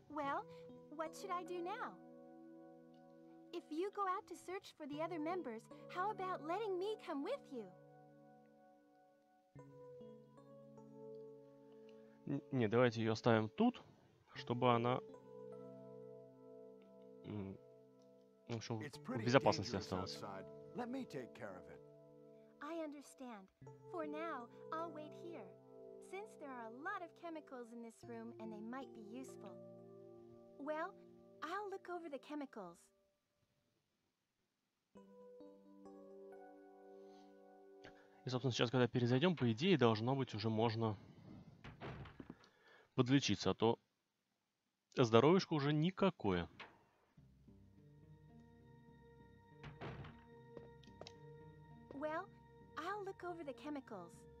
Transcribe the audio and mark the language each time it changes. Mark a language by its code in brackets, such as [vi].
[en] Well, what should I do now? If you go out to search for the other members, how about letting me come with you? [ru] Не, давайте ее оставим тут, чтобы она. В общем, в безопасности осталась. [en] Let me take care of it. I understand. For now, I'll wait here. Since there are a lot of chemicals in this room and they might be useful. Well, I'll look over the chemicals. [ru] И, собственно, сейчас, когда перезайдем, по идее, должно быть уже можно подлечиться, а то здоровьишко уже никакое. [en] Well, I'll look over the chemicals.